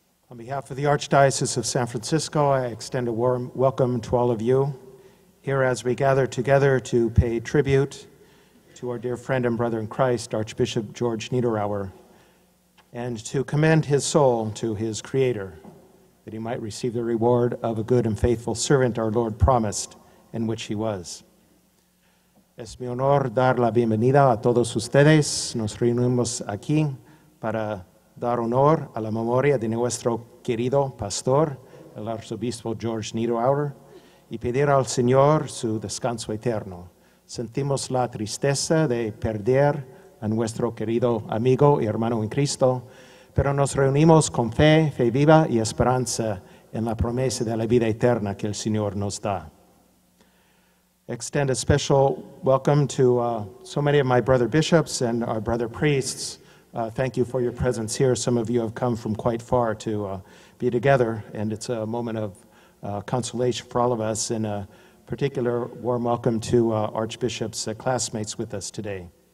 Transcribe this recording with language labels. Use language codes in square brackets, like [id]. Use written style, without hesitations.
[en] On behalf of the Archdiocese of San Francisco, I extend a warm welcome to all of you here as we gather together to pay tribute to our dear friend and brother in Christ, Archbishop George Niederauer, and to commend his soul to his Creator, that he might receive the reward of a good and faithful servant our Lord promised, in which he was. [es] Es mi honor dar la bienvenida a todos ustedes. Nos reunimos aquí para dar honor a la memoria de nuestro querido pastor, el arzobispo George Niederauer, y pedir al Señor su descanso eterno. Sentimos la tristeza de perder a nuestro querido amigo y hermano en Cristo, pero nos reunimos con fe, fe viva y esperanza en la promesa de la vida eterna que el Señor nos da. [en] Extend a special welcome to so many of my brother bishops and our brother priests. Thank you for your presence here. Some of you have come from quite far to be together, and it's a moment of consolation for all of us, and a particular warm welcome to Archbishop's classmates with us today.